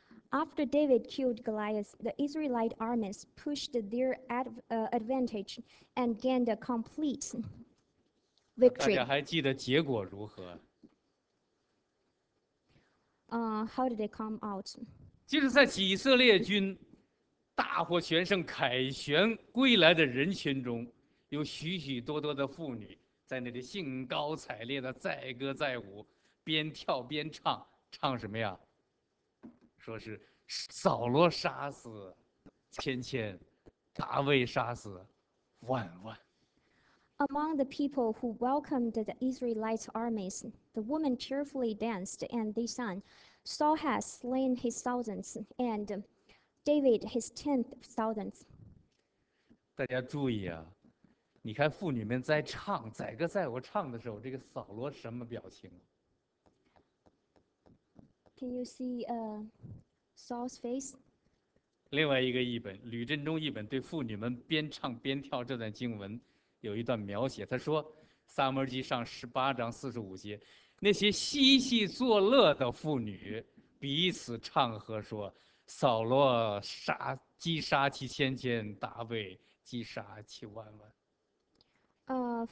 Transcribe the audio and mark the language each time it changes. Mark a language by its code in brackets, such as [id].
[en] After David killed Goliath, the Israelite armies pushed their advantage and gained a complete victory. [zh] 大家还记得结果如何？ [en] How did they come out? [zh] 就是在以色列军大获全胜凯旋归来的人群中，有许许多多的妇女在那里兴高采烈的载歌载舞，边跳边唱，唱什么呀？说是扫罗杀死千千，大卫杀死万万。 [en] Among the people who welcomed the Israelite armies, the women cheerfully danced and they sang, Saul has slain his thousands and David his tenth thousands. [zh] 大家注意啊，你看妇女们在唱载歌载舞唱的时候，这个扫罗什么表情？ [en] Can you see Saul's face? [zh] 另外一个译本，吕振中译本对妇女们边唱边跳这段经文有一段描写，他说，《撒母耳记上》十八章四十五节，那些嬉戏作乐的妇女彼此唱和说：“扫罗杀击杀其千千，大卫击杀其万万。”